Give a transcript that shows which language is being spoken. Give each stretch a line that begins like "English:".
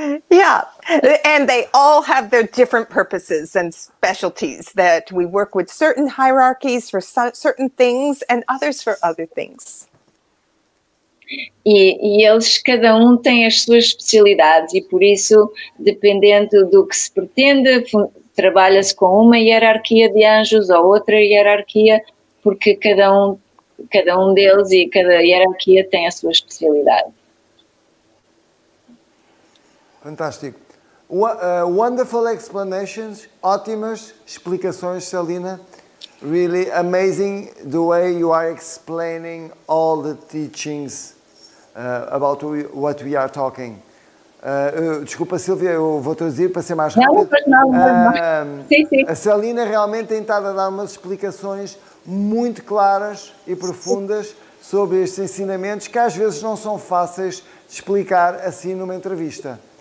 English: Yeah, and they all have their different purposes and specialties that we work with certain hierarchies for certain things and others for other things.
Portuguese: E eles, cada tem as suas especialidades e por isso, dependendo do que se pretende, trabalha-se com uma hierarquia de anjos ou outra hierarquia, porque cada um deles e cada hierarquia tem a sua especialidade. Fantástico.
English: Wonderful explanations,
Portuguese: ótimas explicações, Celina.
English: Really amazing the way you are explaining all the teachings about what we are talking.
Portuguese: Desculpa, Silvia, eu vou traduzir para ser mais rápido. Não, sim. A Celina realmente tem estado a dar umas explicações muito claras e profundas sobre estes ensinamentos que às vezes não são fáceis de explicar assim numa entrevista.